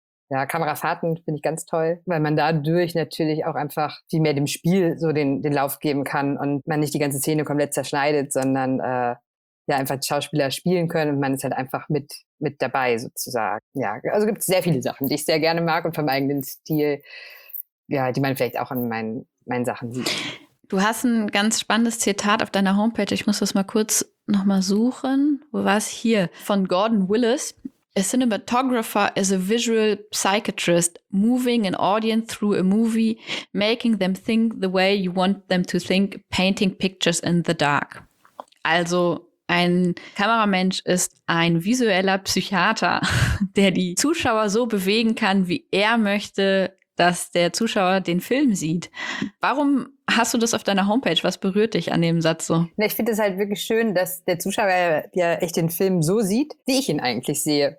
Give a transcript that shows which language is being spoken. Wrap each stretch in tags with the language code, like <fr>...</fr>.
<de>Ja, Kamerafahrten finde ich ganz toll, weil man dadurch natürlich auch einfach viel mehr dem Spiel so den Lauf geben kann und man nicht die ganze Szene komplett zerschneidet, sondern einfach Schauspieler spielen können und man ist halt einfach mit dabei sozusagen. Ja, also gibt es sehr viele Sachen, die ich sehr gerne mag und vom eigenen Stil, ja, die man vielleicht auch an meinen Sachen sieht. Du hast ein ganz spannendes Zitat auf deiner Homepage, ich muss das mal kurz nochmal suchen. Wo war es? Hier. Von Gordon Willis.</de> <en>A cinematographer is a visual psychiatrist moving an audience through a movie, making them think the way you want them to think, painting pictures in the dark.</en> <de>Also ein Kameramensch ist ein visueller Psychiater, der die Zuschauer so bewegen kann, wie er möchte, dass der Zuschauer den Film sieht. Warum hast du das auf deiner Homepage? Was berührt dich an dem Satz so? Na, ich finde es halt wirklich schön, dass der Zuschauer ja echt den Film so sieht, wie ich ihn eigentlich sehe.</de>